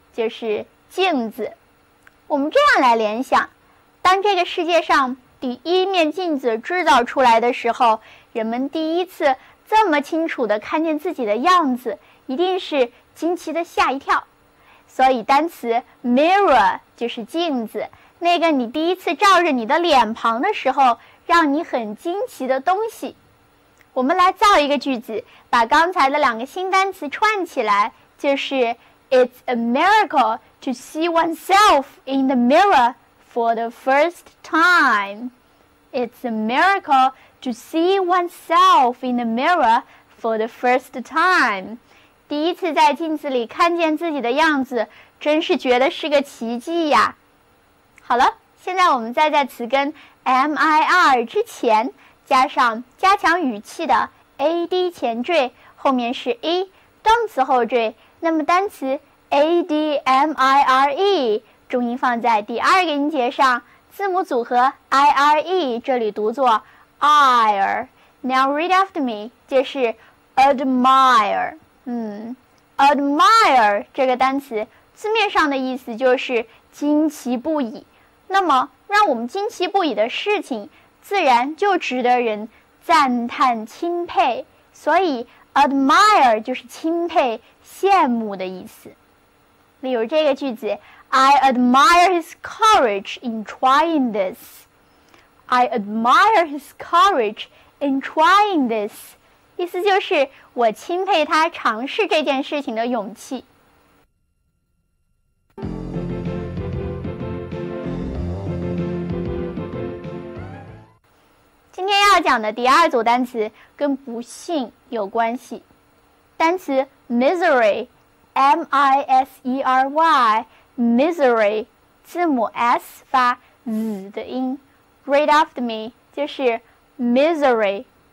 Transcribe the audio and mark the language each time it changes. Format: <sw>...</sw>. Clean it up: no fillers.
<zh>就是镜子。我们这样来联想，当这个世界上第一面镜子制造出来的时候，人们第一次这么清楚地看见自己的样子，一定是惊奇地吓一跳。所以单词 mirror 就是镜子，那个你第一次照着你的脸庞的时候让你很惊奇的东西。我们来造一个句子，把刚才的两个新单词串起来，就是</zh> <en>It's a miracle to see oneself in the mirror for the first time. It's a miracle to see oneself in the mirror for the first time.</en> <zh>第一次在镜子里看见自己的样子，真是觉得是个奇迹呀。好了，现在我们再在词根 mir 之前加上加强语气的 ad 前缀，后面是 e 动词后缀。那么单词 admire 重音放在第二个音节上，字母组合 ire 这里读作 ire。</zh> <en>Now read after me，</en> <zh>就是</zh> <en>admire。</en> <zh>admire 这个单词字面上的意思就是惊奇不已。那么让我们惊奇不已的事情，自然就值得人赞叹钦佩。所以admire 就是钦佩、羡慕的意思。例如这个句子</zh> <en>，I admire his courage in trying this. I admire his courage in trying this.</en> <zh>意思就是我钦佩他尝试这件事情的勇气。今天要讲的第二组单词跟不幸有关系，单词 misery， M-I-S-E-R-Y， misery， 字母 S 发 z 的音 ，</zh> <en>read after me</en> <zh>就是 misery。</zh>